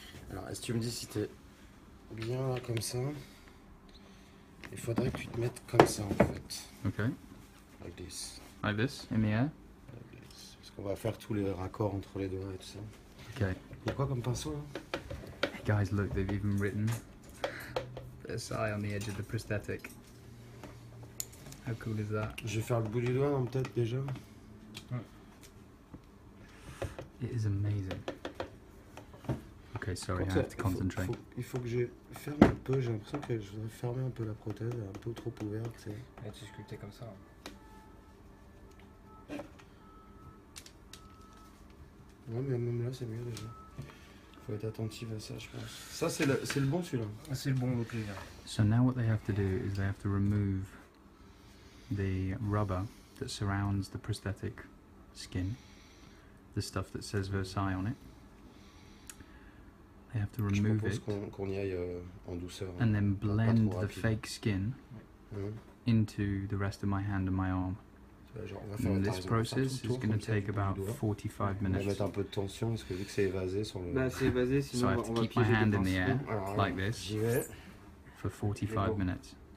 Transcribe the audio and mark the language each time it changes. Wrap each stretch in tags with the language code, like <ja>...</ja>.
<fr>Alors est-ce que tu me dis si t'es bien là comme ça? Il faudrait que tu te mettes comme ça en fait. Ok.</fr> <en>Like this. Like this, in the air.</en> <fr>On va faire tous les raccords entre les doigts et tout ça. Ok. Il y a quoi comme pinceau là?</fr> <en>Hey guys, look, they've even written Versailles on the edge of the prosthetic. How cool is that?</en> <fr>Je vais faire le bout du doigt, non, peut-être déjà.</fr> <en>It is amazing. Ok, sorry, I have to concentrate.</en> <fr>Il faut que je ferme un peu, j'ai l'impression que je voudrais fermer un peu la prothèse, un peu trop ouverte. Et tu sculptais comme ça. Hein. Ouais, mais même là, c'est mieux déjà. Faut être attentif à ça, je pense. Ça, c'est le bon celui-là. Ah, c'est le bon, ok.</fr> <en>So now what they have to do is they have to remove the rubber that surrounds the prosthetic skin, the stuff that says Versailles on it. They have to remove it.</en> <fr>Je propose qu'on y aille en douceur.</fr> <en>And then blend the fake skin into the rest of my hand and my arm.</en> <fr>Genre,</fr> <en>and this process</en> <fr>tour,</fr> <en>is going to take about 45 minutes.</en> <fr>On va mettre un peu de tension parce que vu que c'est évasé sur le. Bah, c'est évasé, sinon</fr> <en>so</en> <fr>on</fr> <en>I have to keep my hand in the air like this for 45 minutes.</en>